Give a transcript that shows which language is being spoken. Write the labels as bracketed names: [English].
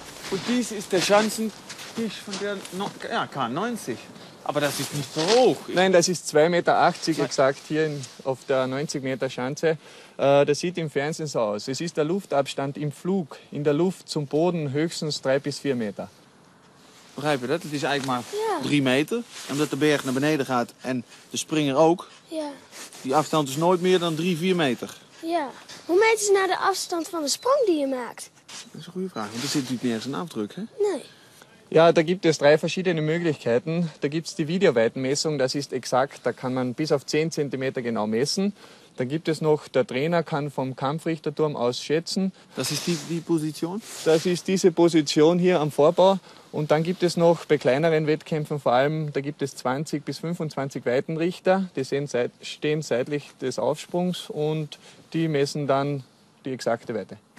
[German] Und dies ist der Schanzentisch von der K90. Aber das ist nicht so hoch. Nein, das ist 2,80 Meter exakt hier auf der 90 Meter Schanze. Das sieht im Fernsehen so aus. Es ist der Luftabstand im Flug, in der Luft zum Boden höchstens 3 bis 4 Meter. [Dutch] Begrijp je dat? Het is eigenlijk maar 3 Meter. Omdat de berg naar beneden gaat en de springer ook. Ja. Die afstand is nooit meer dan 3-4 Meter. Ja. Hoe meet je nou de afstand van de sprong die je maakt? Dat is een goede vraag, want er zit natuurlijk nergens een afdruk, hè? Nee. [German] Ja, da gibt es 3 verschiedene Möglichkeiten. Da gibt es die Videoweitenmessung, das ist exakt, da kann man bis auf 10 cm genau messen. Dann gibt es noch, der Trainer kann vom Kampfrichterturm aus schätzen. Das ist die Position? Das ist diese Position hier am Vorbau. Und dann gibt es noch bei kleineren Wettkämpfen vor allem, da gibt es 20 bis 25 Weitenrichter, die stehen seitlich des Aufsprungs und die messen dann die exakte Weite.